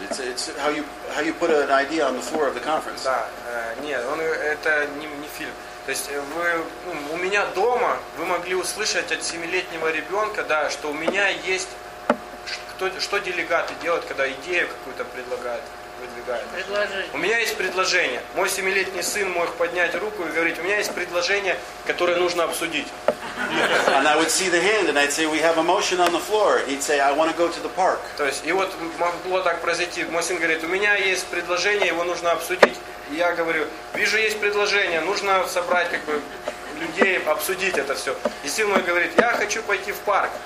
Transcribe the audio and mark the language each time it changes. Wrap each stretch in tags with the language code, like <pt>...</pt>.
<en>It's how you put an idea on the floor of the conference.</en> <ru>Да, нет, он это не фильм. То есть вы, ну, у меня дома вы могли услышать от 7-летнего ребенка, да, что у меня есть что делегаты делают, когда идею какую-то предлагают. продвигаем. Предложение. У меня есть предложение. Мой 7-летний сын мог поднять руку и говорить, у меня есть предложение, которое нужно обсудить.</ru> <en>And I would see the hand and I'd say, we have a motion on the floor. He'd say, I want to go to the park.</en> <ru>То есть, и вот могло так произойти. Мой сын говорит, у меня есть предложение, его нужно обсудить. И я говорю, вижу, есть предложение, нужно собрать как бы людей, обсудить это все. И сын мой говорит, я хочу пойти в парк.</ru>